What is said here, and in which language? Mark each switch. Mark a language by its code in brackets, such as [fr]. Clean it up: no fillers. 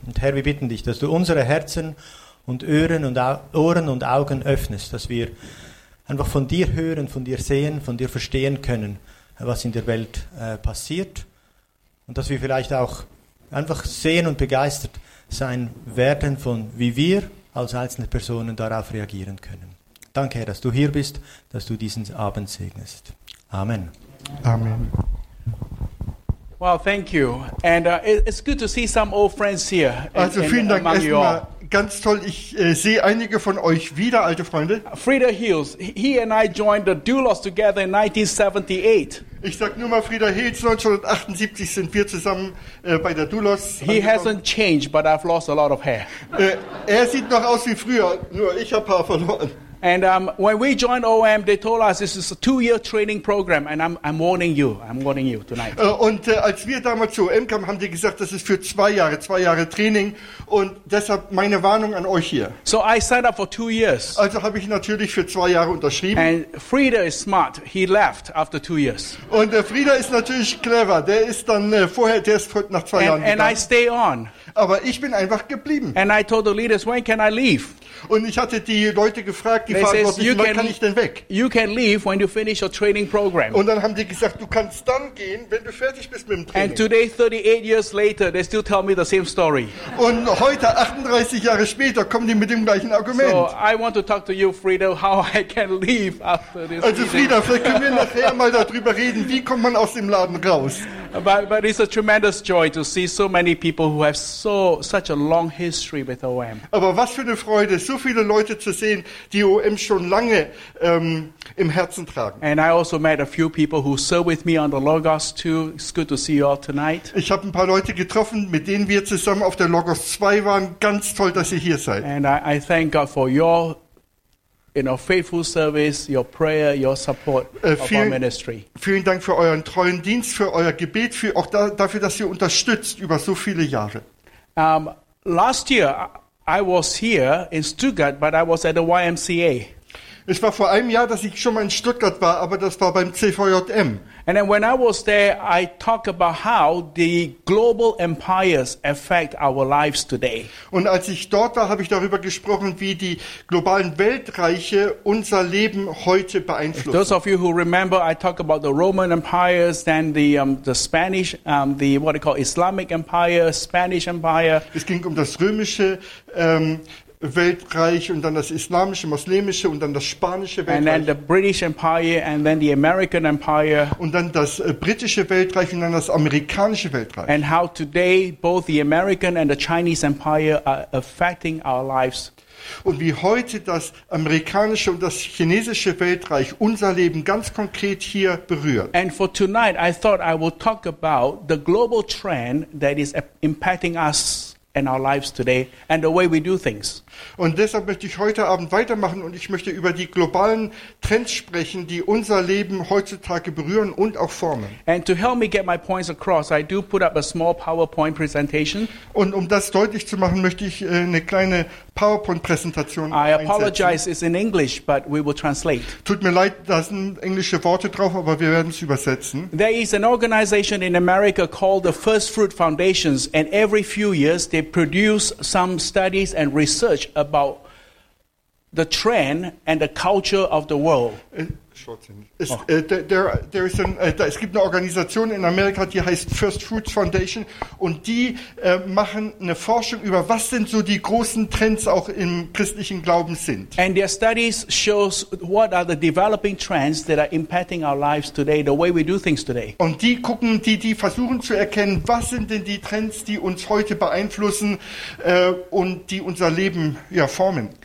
[de] Und Herr, wir bitten dich, dass du unsere Herzen und Ohren und Augen öffnest, dass wir einfach von dir hören, von dir sehen, von dir verstehen können, was in der Welt passiert. Und dass wir vielleicht auch einfach sehen und begeistert sein werden, von wie wir als einzelne Personen darauf reagieren können. Danke, Herr, dass du hier bist, dass du diesen Abend segnest. Amen. Amen. [en] Well, thank you. And it's good to see some old friends here. [de] Also vielen Dank erstmal. Ganz toll. Ich sehe einige von euch wieder, alte Freunde. [en] Frieda Hills. He and I joined the Doulos together in 1978. [de] Ich sag nur mal Frieda Hills. 1978 sind wir zusammen bei der Doulos. [en] He hasn't changed, but I've lost a lot of hair. [de] Er sieht noch aus wie früher. Nur ich habe Haar verloren. [en] And when we joined OM, they told us this is a two-year training program, and I'm warning you tonight. [de] Und als wir damals zu OM kamen, haben die gesagt, das ist für zwei Jahre Training, und deshalb meine Warnung an euch hier. [en] So I signed up for 2 years. [de] Also habe ich natürlich für 2 Jahre unterschrieben. [en] And Frieda is smart. He left after 2 years. [de] Und Frieda ist natürlich clever. Der ist dann vorher, der ist nach zwei Jahren gegangen. [en] And I stay on. [de] Aber ich bin einfach geblieben. [en] And I told the leaders, when can I leave? [de] Und ich hatte die Leute gefragt, die fragten, wann kann ich denn weg? [en] You can leave when you finish your training program. [de] Und dann haben die gesagt, du kannst dann gehen, wenn du fertig bist mit dem Training. [en] And today, 38 years later, they still tell me the same story. [de] Und heute, 38 Jahre später, kommen die mit dem gleichen Argument. [en] So, I want to talk to you, Frieda, how I can leave after this. [de] Also Frieda, vielleicht können wir nachher mal darüber reden, wie kommt man aus dem Laden raus? [en] But it's a tremendous joy to see so many people who have such a long history with OM. [de] Aber was für eine Freude, so viele Leute zu sehen, die OM schon lange im Herzen tragen. [en] And I also met a few people who serve with me on the Logos 2. It's good to see you all tonight. [de] Ich habe ein paar Leute getroffen, mit denen wir zusammen auf der Logos 2 waren. Ganz toll, dass ihr hier seid. [en] And I thank God for your faithful service, your prayer, your support of our ministry. [de] Vielen Dank für euren treuen Dienst, für euer Gebet, dafür, dass ihr unterstützt über so viele Jahre. [en] Last year I was here in Stuttgart, but I was at the YMCA. [de] Es war vor einem Jahr, dass ich schon mal in Stuttgart war, aber das war beim CVJM. [en] And then when I was there, I talked about how the global empires affect our lives today. [de] Und als ich dort war, habe ich darüber gesprochen, wie die globalen Weltreiche unser Leben heute beeinflussen. [en] If those of you who remember, I talked about the Roman empires, then the Spanish, the what they call Islamic empire, Spanish empire. [de] Es ging um das römische Weltreich und dann das islamische, muslimische und dann das spanische Weltreich. [en] And then the British Empire and then the American Empire. [de] Und dann das britische Weltreich und dann das amerikanische Weltreich. [en] And how today both the American and the Chinese Empire are affecting our lives. [de] Und wie heute das amerikanische und das chinesische Weltreich unser Leben ganz konkret hier berührt. [en] And for tonight I thought I would talk about the global trend that is impacting us and our lives today and the way we do things. [de] Und deshalb möchte ich heute Abend weitermachen und ich möchte über die globalen Trends sprechen, die unser Leben heutzutage berühren und auch formen. [en] And to help me get my points across, I do put up a small PowerPoint presentation. [de] Und um das deutlich zu machen, möchte ich eine kleine PowerPoint Präsentation einsetzen. [en] I apologize, it's in English, but we will translate. [de] Tut mir leid, da sind englische Worte drauf, aber wir werden es übersetzen. [en] There is an organization in America called the First Fruit Foundations, and every few years they produce some studies and research about the trend and the culture of the world. [de] Es gibt eine Organisation in Amerika, die heißt First Fruits Foundation, und die machen eine Forschung über, was sind so die großen Trends auch im christlichen Glauben sind. [en] And their studies shows what are the developing trends that are impacting our lives today, the way we do things today. [de] Und die gucken, die versuchen zu erkennen, was sind denn die Trends, die uns heute beeinflussen und die unser Leben ja formen.